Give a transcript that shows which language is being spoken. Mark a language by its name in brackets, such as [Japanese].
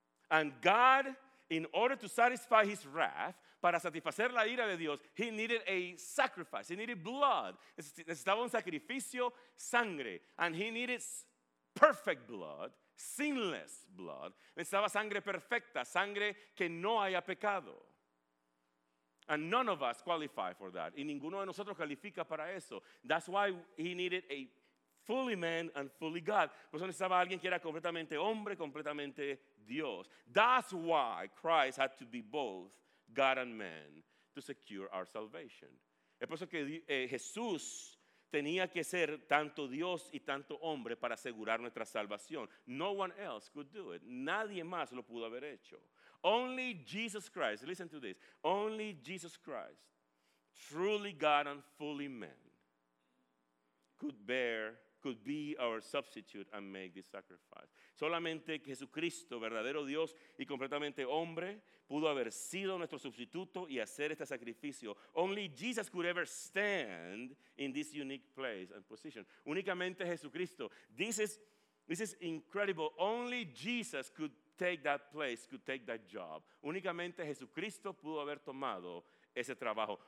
[English] And God, in order to satisfy his wrath, [Spanish] para satisfacer la ira de Dios, [English] he needed a sacrifice. He needed blood. [Spanish] Necesitaba un sacrificio, sangre. [English] And he needed perfect blood, sinless blood. [Spanish] Necesitaba sangre perfecta, sangre que no haya pecado. [English] And none of us qualify for that. [Spanish] Y ninguno de nosotros califica para eso. [English] That's why he needed a fully man and fully God. [Spanish] Por eso necesitaba alguien que era completamente hombre, completamente Dios. [English] That's why Christ had to be both God and man to secure our salvation. [Spanish] Es por eso que Jesús tenía que ser tanto Dios y tanto hombre para asegurar nuestra salvación. [English] No one else could do it. [Spanish] Nadie más lo pudo haber hecho. [English] Only Jesus Christ, listen to this, only Jesus Christ, truly God and fully man, could be our substitute and make this sacrifice. [Spanish] Solamente Jesucristo, verdadero Dios y completamente hombre, pudo haber sido nuestro sustituto y hacer este sacrificio. [English] Only Jesus could ever stand in this unique place and position. [Spanish] Únicamente Jesucristo. [English] This is incredible. Only Jesus could take that place, could take that job. [Spanish] Únicamente Jesucristo pudo haber tomado ese trabajo.